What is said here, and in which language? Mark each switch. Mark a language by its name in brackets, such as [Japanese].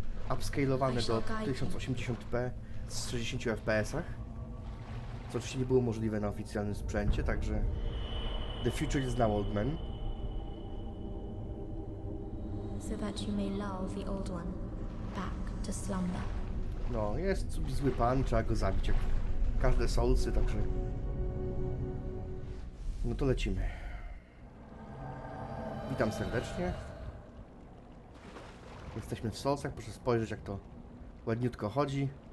[Polish] Upscalowane do 1080p z 60 fpsach. Co oczywiście nie było możliwe na oficjalnym sprzęcie, także... [English] The future is now old man. So that you may lull the old one back to slumber. [Polish] No, jest zły pan, trzeba go zabić, jak każde solsy, także... No to lecimy. Witam serdecznie. Jesteśmy w solsach, proszę spojrzeć, jak to ładniutko chodzi.